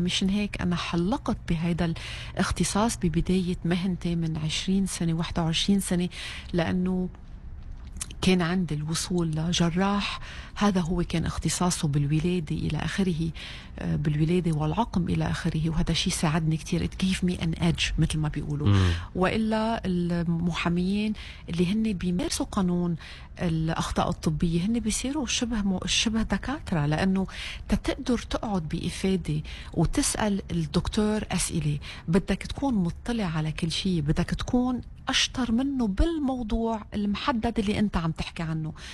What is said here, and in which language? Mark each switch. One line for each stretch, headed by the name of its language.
Arabic: مشان هيك أنا حلقت بهذا الاختصاص ببداية مهنتي من 20 سنة 21 سنة، لأنه كان عند الوصول لجراح هذا هو كان اختصاصه بالولادة إلى آخره، بالولادة والعقم إلى آخره، وهذا شيء ساعدني كتير.
English: It gave me an edge
Arabic: مثل ما بيقولوا. وإلا المحاميين اللي هن بيمارسوا قانون الأخطاء الطبية هن بيصيروا شبه دكاترة، لأنه تتقدر تقعد بإفادة وتسأل الدكتور أسئلة، بدك تكون مطلع على كل شيء، بدك تكون أشطر منه بالموضوع المحدد اللي أنت عم تحكي عنه.